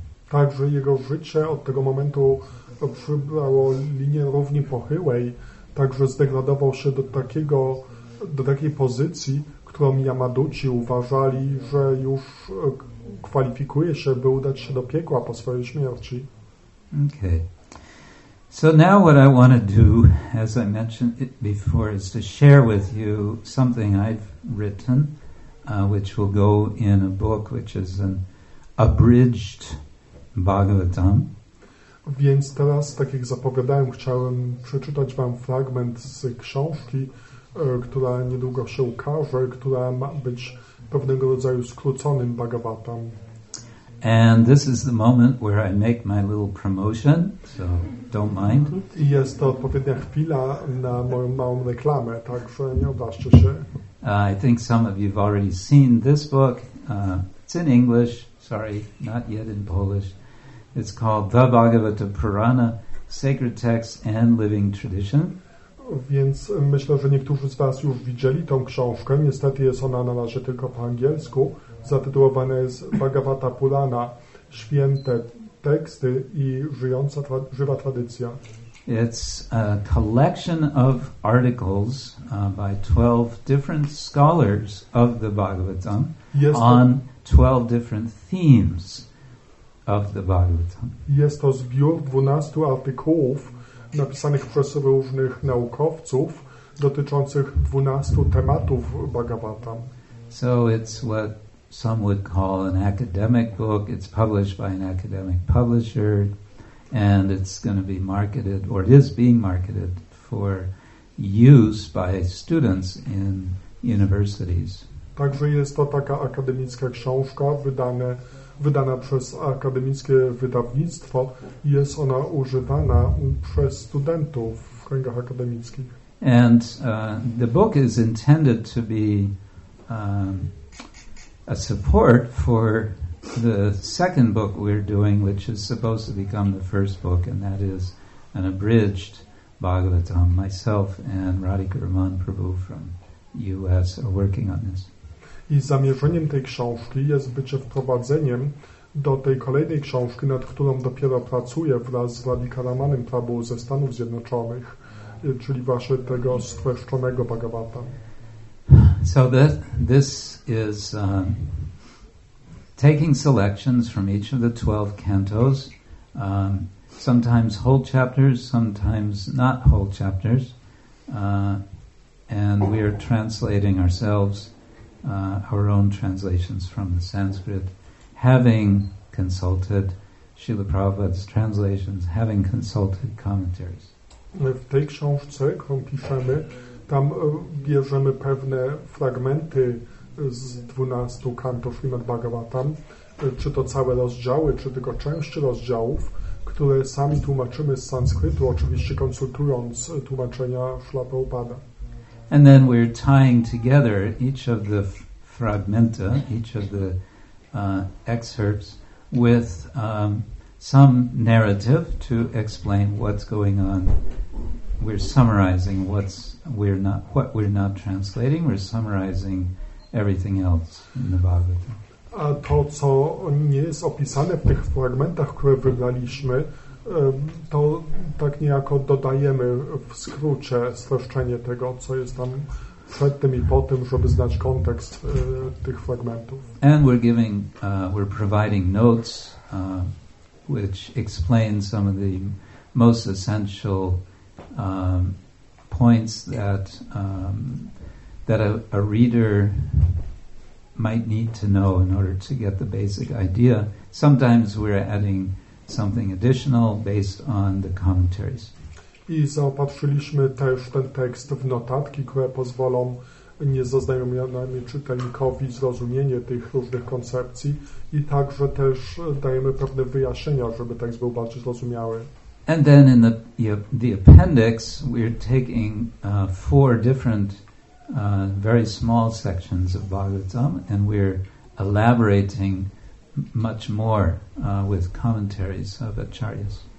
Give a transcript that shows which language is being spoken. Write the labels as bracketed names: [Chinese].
[Polish] Także jego życie od tego momentu przybrało linię równie pochyłej, także zdegradował się do takiej pozycji, którą Yamaduci uważali, że już kwalifikuje się, by udać się do piekła po swojej śmierci. [English] Okay. So now what I want to do, as I mentioned it before, is to share with you something I've written, which will go in a book, which is an abridged Bhagavatam. [Polish] Więc teraz, tak jak zapowiadałem, chciałem przeczytać wam fragment z książki, która niedługo się ukaże, która ma być pewnego rodzaju skróconym Bhagavatam. [English] And this is the moment where I make my little promotion, so don't mind. [Polish] I jest to odpowiednia chwila na moją małą reklamę, także nie obraźcie się. [English] I think some of you have already seen this book. It's in English, sorry, not yet in Polish. It's called The Bhagavata Purana, Sacred Texts and Living Tradition. [Polish] Więc myślę, że niektórzy z was już widzieli tą książkę. Niestety jest ona na razie tylko po angielsku. Zatytułowane jest Bhagavata Purana, Święte Teksty i Żyjąca Żywa Tradycja. [English] It's a collection of articles by 12 different scholars of the Bhagavatam on 12 different themes of the Bhagavatam. [Polish] Jest to zbiór 12 artykułów napisanych przez różnych naukowców dotyczących 12 tematów Bhagavatam. [English] So it's what some would call an academic book. It's published by an academic publisher, and it's going to be marketed, or it is being marketed, for use by students in universities. [Polish] Także jest to taka akademicka książka wydana przez akademickie wydawnictwo i jest ona używana przez studentów w kręgach akademickich. [English] And the book is intended to be a support for the second book we're doing, which is supposed to become the first book, and that is an abridged Bhagavatam. Myself and Radhika Raman Prabhu from US are working on this. [Polish] I zamierzeniem tej książki jest bycie wprowadzeniem do tej kolejnej książki, nad którą dopiero pracuję wraz z Radhikaramanem Prabhu ze Stanów Zjednoczonych, czyli właśnie tego streszczonego Bhagavata. [English] So that this is taking selections from each of the 12 cantos, sometimes whole chapters, sometimes not whole chapters, and we are translating ourselves, our own translations from the Sanskrit, having consulted Srila Prabhupada's translations, having consulted commentaries. [Polish] W tej książce, którą piszemy, tam bierzemy pewne fragmenty z 12 kantów Srimad Bhagavatam, czy to całe rozdziały, czy tylko części rozdziałów, które sami tłumaczymy z sanskrytu, oczywiście konsultując tłumaczenia Srila Prabhupada. [English] And then we're tying together each of the fragmenta, each of the excerpts, with some narrative to explain what's going on. We're summarizing what we're not translating. We're summarizing everything else in the Bhagavata. [Polish] A to, co nie jest opisane w tych fragmentach, które wybraliśmy, to tak niejako dodajemy w skrócie streszczenie tego, co jest tam przed tym i po tym, żeby znać kontekst tych fragmentów. [English] And we're giving, we're providing notes, which explain some of the most essential points that that a reader might need to know in order to get the basic idea. Sometimes we're adding something additional based on the commentaries. [Polish] I zaopatrzyliśmy też ten tekst w notatki, które pozwolą niezaznajomionemu czytelnikowi zrozumienie tych różnych koncepcji i także też dajemy pewne wyjaśnienia, żeby tekst był bardziej zrozumiały. [English] And then in the appendix we're taking four different very small sections of Bhagavatam and we're elaborating much more with commentaries of acharyas.